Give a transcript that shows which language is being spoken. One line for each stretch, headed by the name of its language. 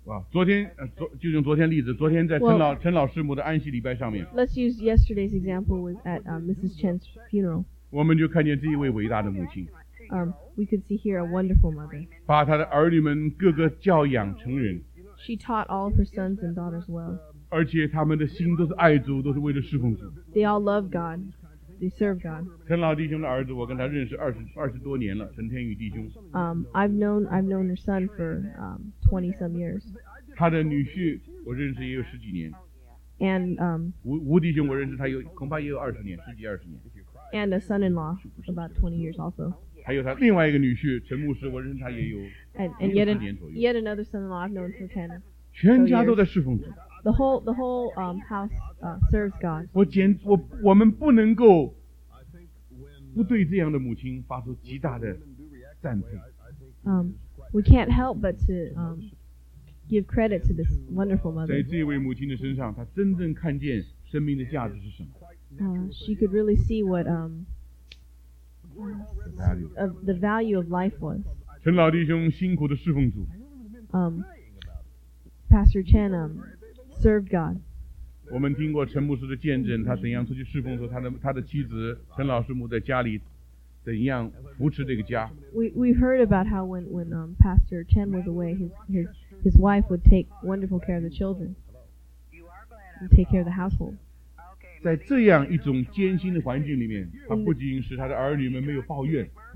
Chinese: 昨天例子，昨天在陈老师母的安息礼拜上面。
English: Let's use yesterday's example at Mrs. Chen's funeral.
Chinese: 我们就看见这一位伟大的母亲。
English: We could see here a wonderful mother.
Chinese: 把她的儿女们个个教养成人。
English: She taught all of her sons and daughters well.
Chinese: 而且他们的心都是爱主，都是为了侍奉主。
English: They all love God. They serve God.
Chinese: 陈老弟兄的儿子，我跟他认识二十多年了，陈天宇弟兄。
English: I've known her son for 20 some years.
Chinese: 他的女婿我认识也有十几年。
English: And
Chinese: 吴弟兄我认识他有恐怕也有二十年，十几二十年。
English: And a son-in-law about 20 years also.
Chinese: 还有他另外一个女婿陈牧师，我认识他也有
English: yet another son-in-law I've known for 10.
Chinese: 全家都在侍奉主。
English: The whole house serves God.
Chinese: 我们不能够不对这样的母亲发出极大的赞美。
English: We can't help but to give credit to this wonderful mother.
Chinese: 在这位母亲的身上，她真正看见生命的价值是什么。
English: She could really see what the value of life was.
Chinese: 陈老弟兄辛苦的侍奉主。
English: Pastor Chen. Serve God.
Chinese: 我们听过陈牧师的见证，他怎样出去侍奉的时候，他的妻子陈老师母在家里怎样扶持这个家。
English: We heard about how when Pastor Chen was away, his wife would take wonderful care of the children, and take care of the household.
Chinese: 在这样一种艰辛的环境里面，他不仅使他的儿女们没有抱怨。